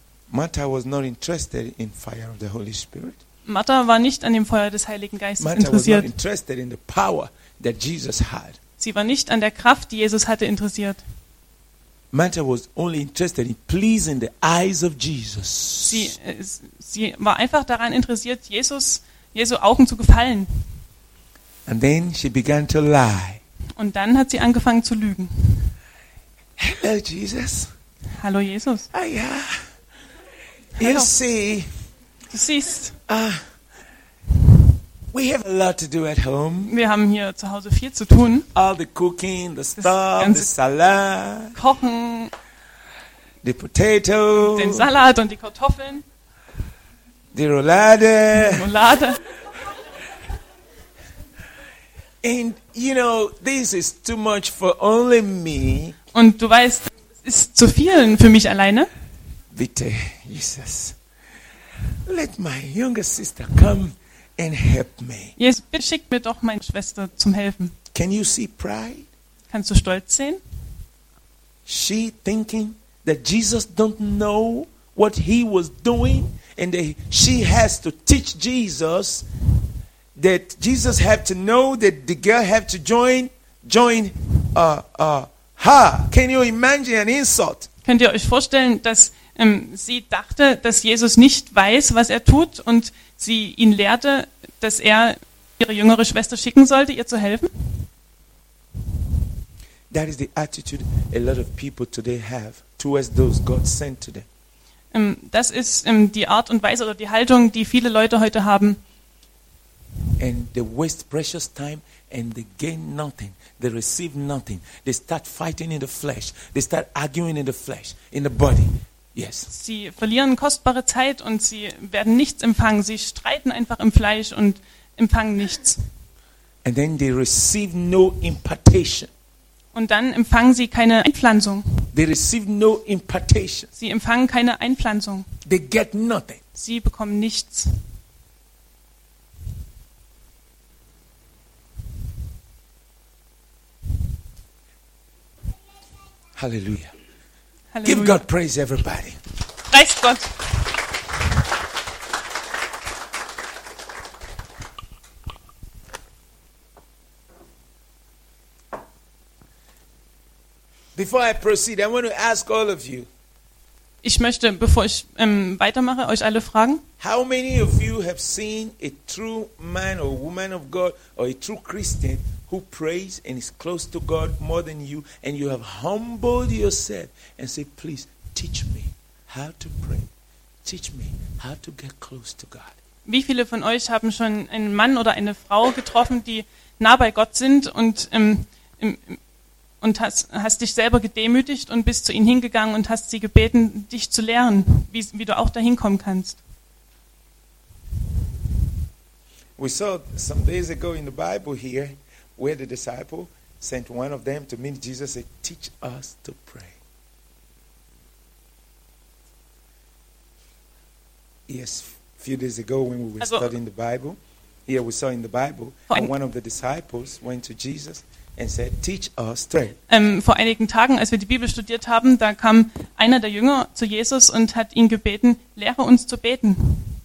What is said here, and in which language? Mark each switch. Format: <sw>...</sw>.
<en>Martha was not interested in fire of the Holy Spirit.</en> <de>Martha war nicht an dem Feuer des Heiligen Geistes Martha interessiert.</de> <en>Martha was not interested in the power that Jesus had.</en> <de>Sie war nicht an der Kraft, die Jesus hatte, interessiert.</de> <en>Martha was only interested in pleasing the eyes of Jesus.</en> <de>Sie war einfach daran interessiert, Jesu Augen zu gefallen.</de> <en>And then she began to lie.</en> <de>Und dann hat sie angefangen zu lügen.</de> <en>Hello, Jesus.</en> <de>Hallo, Jesus.</de> <en>Ah, ja. You see.</en> <de>Du siehst.</de> <en>We have a lot to do at home.</en> <de>Wir haben hier zu Hause viel zu tun.</de> <en>All the cooking, the stuff, the salad.</en> <de>Kochen.</de> <en>The potato.</en> <de>Den Salat und die Kartoffeln.</de> <en>The roulade.</en> <de>Roulade.</de> <en>And you know, this is too much for only me.</en> <de>Und du weißt, es ist zu viel für mich alleine. Bitte,</de> <en>Jesus. Let my younger sister come. And help me.</en> <de>Jesus, bitte schick mir doch meine Schwester zum Helfen.</de> <en>Can you see pride?</en> <de>Kannst du Stolz sehen?</de> <en>She thinking that Jesus don't know what he was doing and that she has to teach Jesus that Jesus have to know that the girl have to join her. Can you imagine an insult?</en> <de>Könnt ihr euch vorstellen, dass sie dachte, dass Jesus nicht weiß, was er tut und sie ihn lehrte, dass er ihre jüngere Schwester schicken sollte, ihr zu helfen?</de> <en>That is the attitude a lot of people today have towards those God sent to them.</en> <de>Das ist die Art und Weise oder die Haltung, die viele Leute heute haben.</de> <en>And they waste precious time and they gain nothing. They receive nothing. They start fighting in the flesh. They start arguing in the flesh, in the body. Yes.</en> <de>Sie verlieren kostbare Zeit und sie werden nichts empfangen. Sie streiten einfach im Fleisch und empfangen nichts.</de> <en>And then they receive no impartation.</en> <de>Und dann empfangen sie keine Einpflanzung.</de> <en>They receive no impartation.</en> <de>Sie empfangen keine Einpflanzung.</de> <en>They get nothing.</en> <de>Sie bekommen nichts. Halleluja. Halleluja.</de> <en>Give God praise, everybody.</en> <de>Preist Gott.</de> <en>Before I proceed, I want to ask all of you.</en> <de>Ich möchte, bevor ich weitermache, euch alle fragen.</de> <en>How many of you have seen a true man or woman of God or a true Christian who prays and is close to God more than you, and you have humbled yourself and say, please, teach me how to pray. Teach me how to get close to God.</en> <de>Wie viele von euch haben schon einen Mann oder eine Frau getroffen, die nah bei Gott sind und hast dich selber gedemütigt und bist zu ihnen hingegangen und hast sie gebeten, dich zu lehren, wie du auch dahin kommen kannst?</de> <en>We saw some days ago in the Bible here, where the disciple sent one of them to meet Jesus and teach us to pray. Yes, a few days ago when we were studying the Bible, here we saw in the Bible, one of the disciples went to Jesus and said, teach us to pray.</en> <de>Vor einigen Tagen, als wir die Bibel studiert haben, da kam einer der Jünger zu Jesus und hat ihn gebeten, lehre uns zu beten.</de>